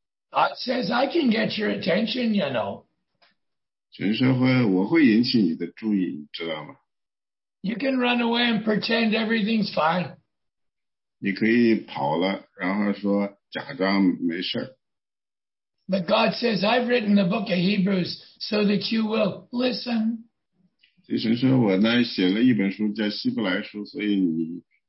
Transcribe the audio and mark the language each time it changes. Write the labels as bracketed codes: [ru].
[en] God says, I can get your attention, you know. [zh] 神说会，我会引起你的注意，你知道吗？ [en] You can run away and pretend everything's fine. [zh] 你可以跑了，然后说假装没事。 [en] But God says, I've written the book of Hebrews so that you will listen. [zh] 所以神说我呢，写了一本书叫希伯来书，所以你